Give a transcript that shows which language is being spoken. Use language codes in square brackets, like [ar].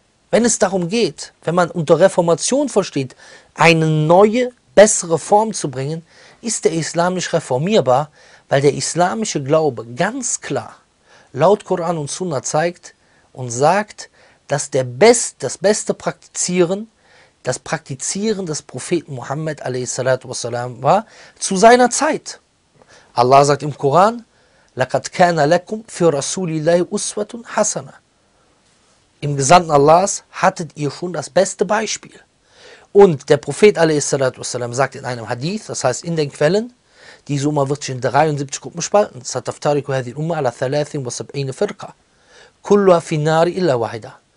[de] Wenn es darum geht, wenn man unter Reformation versteht, eine neue, bessere Form zu bringen, ist der Islam nicht reformierbar, weil der islamische Glaube ganz klar laut Koran und Sunna zeigt und sagt, dass das beste Praktizieren, das Praktizieren des Propheten Muhammad a.s. war zu seiner Zeit. Allah sagt im Koran, [ar] لَقَدْ كَانَ لَكُمْ فِي رَسُولِ اللَّهِ أُسْوَةٌ حَسَنَةٌ. [de] Im Gesandten Allahs hattet ihr schon das beste Beispiel. Und der Prophet a.s. sagt in einem Hadith, das heißt in den Quellen, diese Umma wird sich in 73 Gruppen spalten. [ar] سَتَفْتَارِكُ هَذِي الْأُمَّةِ عَلَى 73 فِرْقَةٍ كُلُّهَا فِي النَّارِ إِلَّا وَاحِدَةٍ.